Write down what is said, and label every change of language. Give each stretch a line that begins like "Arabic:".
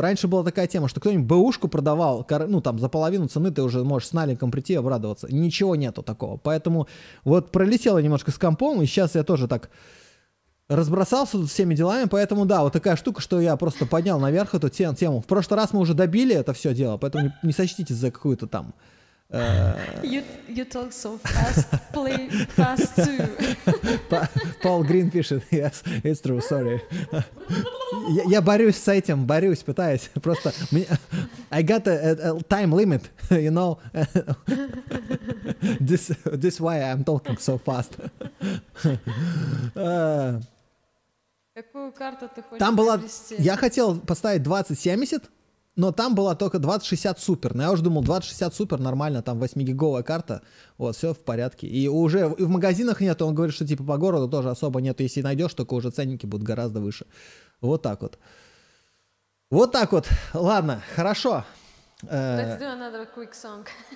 Russian: Раньше была такая тема, что кто-нибудь бэушку продавал, ну, там, за половину цены ты уже можешь с наликом прийти и обрадоваться. Ничего нету такого. Поэтому вот пролетело немножко с компом, и сейчас я тоже так разбросался тут всеми делами. Поэтому, да, вот такая штука, что я просто поднял наверх эту тему. В прошлый раз мы уже добили это все дело, поэтому не сочтите за какую-то там...
English: You talk so fast, play fast too. Paul Green
Russian: пишет,
English: yes, it's true, sorry.
Russian: Я борюсь с этим, борюсь, пытаюсь. Просто мне,
English: I got a time limit, you know. This why I'm talking so fast.
Russian: Какую карту ты хочешь там была, приобрести? Я хотел поставить 2070. Но там была только 2060 супер. Но я уже думал, 2060 супер, нормально, там 8-гиговая карта, вот, все в порядке. И уже и в магазинах нет, он говорит, что типа по городу тоже особо нет, если найдешь, только уже ценники будут гораздо выше. Вот так вот. Вот так вот. Ладно, хорошо.
English: Let's do another quick song.